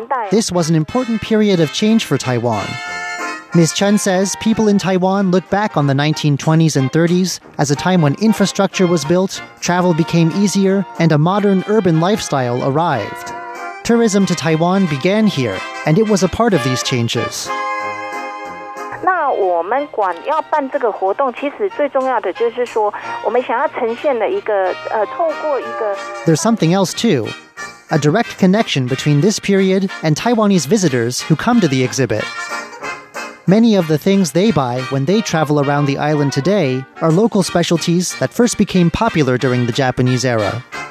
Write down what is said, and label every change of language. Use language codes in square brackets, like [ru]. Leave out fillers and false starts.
[en] This was an important period of change for Taiwan. Ms. Chen says people in Taiwan look back on the 1920s and 30s as a time when infrastructure was built, travel became easier, and a modern urban lifestyle arrived. Tourism to Taiwan began here, and it was a part of these changes. [zh] 那我们管要办这个活动，其实最重要的就是说，我们想要呈现的一个透过一个 [en] There's something else too, a direct connection between this period and Taiwanese visitors who come to the exhibit. Many of the things they buy when they travel around the island today are local specialties that first became popular during the Japanese era.